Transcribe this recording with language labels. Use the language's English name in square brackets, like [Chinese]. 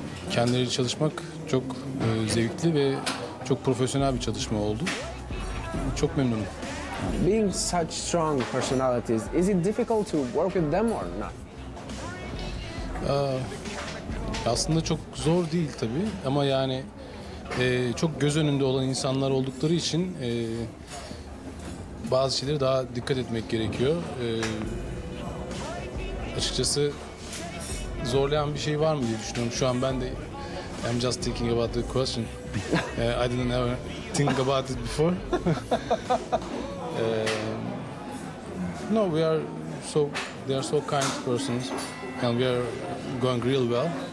[Turkish] Kendileri çalışmak çok zevkli ve çok profesyonel bir çalışma oldu. Çok memnunum. [English] Being such strong personalities, is it difficult to work with them or not? [Turkish] Aslında çok zor değil tabii ama yani çok göz önünde olan insanlar oldukları için bazı şeyleri daha dikkat etmek gerekiyor. Açıkçası zorlayan bir şey var mı diye düşünüyorum. Şu an ben de [English] I'm just thinking about the question. I didn't ever think about it before. No, we are so they are so kind persons, and we are going real well.